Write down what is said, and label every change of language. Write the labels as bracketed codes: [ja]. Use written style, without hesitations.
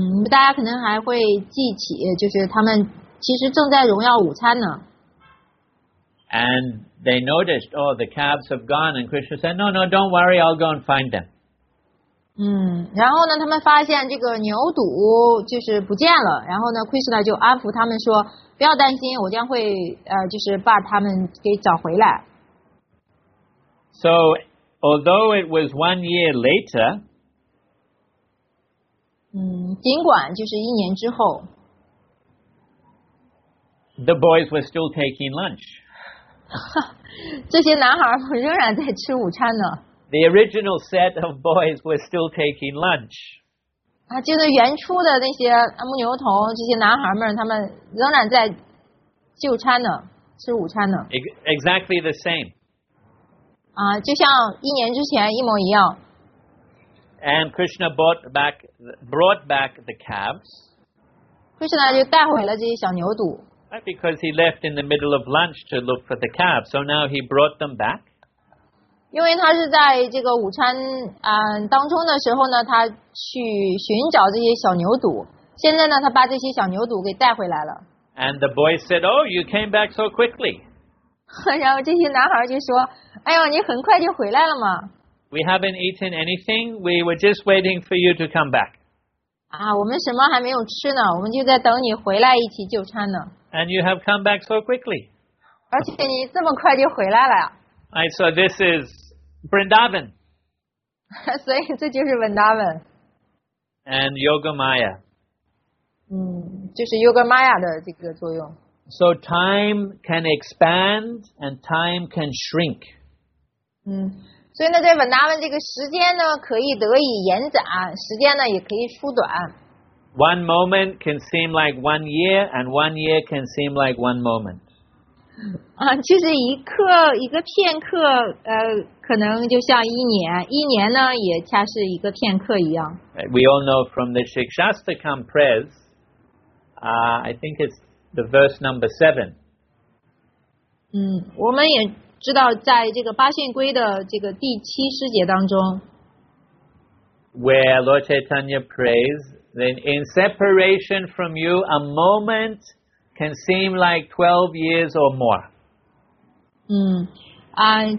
[zh] 大家可能还会记起，就是他们其实正在荣耀午餐呢。 [en] And they noticed, oh, the calves have gone. And Krishna said, no, no, don't worry, I'll go and find them. [zh] 然后呢，他们发现这个牛犊就是不见了。然后呢 ，Krishna 就安抚他们说，不要担心，我将会就是把他们给找回来。 [en] So, although it was 1 year later. [zh] 尽管就是一年之后。 [en] The boys were still taking lunch. [zh] 这些男孩仍然在吃午餐呢。 [en] The original set of boys were still taking lunch. [zh] 就是原初的那些牧牛童，这些男孩们，他们仍然在就餐呢，吃午餐呢。 [en] Exactly the same. [zh] 就像一年之前一模一样。 [en] And Krishna brought back the calves. [zh] Krishna 就带回了这些小牛犊。 [en] Because he left in the middle of lunch to look for the calves, so now he brought them back. [zh] 因为他是在这个午餐当中的时候呢，他去寻找这些小牛犊。现在呢，他把这些小牛犊给带回来了。 [en] And the boy said, "Oh, you came back so quickly." [zh] 然后这些男孩就说，哎呦，你很快就回来了嘛。 [en] We haven't eaten anything. We were just waiting for you to come back. [zh] 我们什么还没有吃呢，我们就在等你回来一起就餐呢。 [en] And you have come back so quickly. [zh] 而且你这么快就回来了。 [en] Right, so this is Vrindavan. So this is Vrindavan. And Yoga Maya. [zh] 就是 Yoga Maya 的这个作用。 [en] So time can expand and time can shrink. [zh] 所以呢，在 Vrindavan 这个时间呢，可以得以延展，时间呢也可以缩短。 [en] One moment can seem like 1 year, and 1 year can seem like one moment. [zh] 就是一刻一个片刻，可能就像一年，一年呢也恰是一个片刻一样。 [en] We all know from the Shikshastakam prayers, I think it's the verse number 7. [zh] 我们也知道在这个八线规的这个第七师节当中 [en] ，where Lord Chaitanya prays, then in separation from you, a moment. Can seem like 12 years or more.